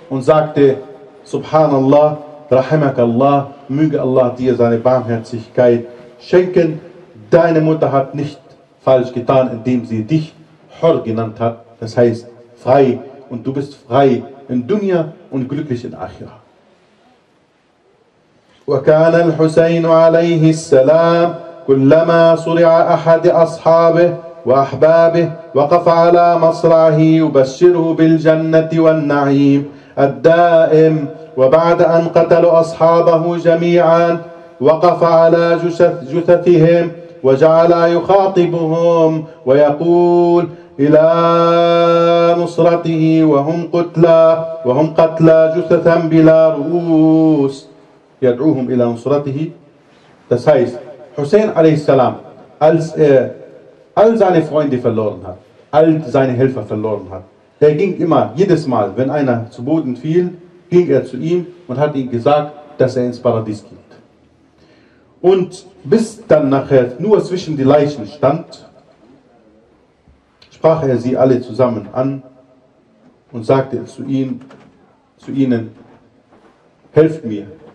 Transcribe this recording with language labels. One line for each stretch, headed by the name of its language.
German: und sagte, Subhanallah, Rahimak Allah, möge Allah dir seine Barmherzigkeit schenken. Deine Mutter hat nicht falsch getan, indem sie dich Hur genannt hat. Das heißt, frei. Und du bist frei in Dunya und glücklich in Akhirah.
Arabic: وكان الحسين عليه السلام كلما صرع أحد أصحابه وأحبابه وقف على مصرعه يبشره بالجنة والنعيم الدائم وبعد أن قتلوا أصحابه جميعا وقف على جثثهم وجعل يخاطبهم ويقول إلى نصرته وهم قتلى جثثا بلا رؤوس يدعوهم إلى نصرته.
German: Das heißt, Hussein a.s. als er all seine Freunde verloren hat, all seine Helfer verloren hat, der ging immer, jedes Mal, wenn einer zu Boden fiel, ging er zu ihm und hat ihm gesagt, dass er ins Paradies geht. Und bis dann nachher nur zwischen die Leichen stand, sprach er sie alle zusammen an und sagte zu ihnen, helft mir.